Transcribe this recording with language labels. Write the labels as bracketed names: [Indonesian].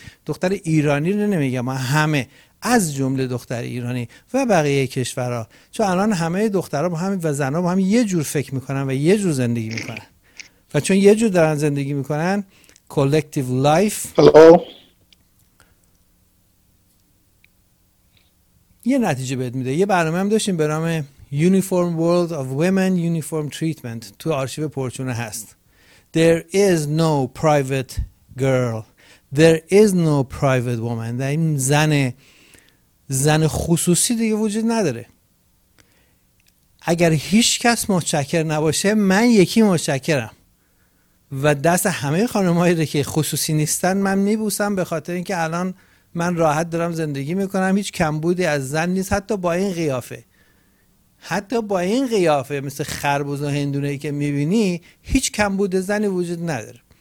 [Persian] دختر ایرانی رو نمیگم، همه از جمله دختر ایرانی و بقیه کشورها، چون الان همه دخترها با هم و زنها با هم یه جور فکر میکنن و یه جور زندگی میکنن، و چون یه جور دارن زندگی میکنن، کلکتیو لایف. هلو. یه نتیجه بهت میده. یه برنامه هم داشتیم به نام Uniform World of Women Uniform Treatment تو آرشیو پرچونه هست. [English] There is no private girl. There is no private woman. [Persian] در این زن خصوصی دیگه وجود نداره. اگر هیچ کس متشکر نباشه، من یکی متشکرم و دست همه خانمایی رو که خصوصی نیستن من میبوسم، به خاطر اینکه الان من راحت دارم زندگی میکنم، هیچ کمبودی از زن نیست، حتی با این قیافه، حتی با این قیافه مثل خربوز و هندونه ای که میبینی، هیچ کمبود زنی وجود نداره.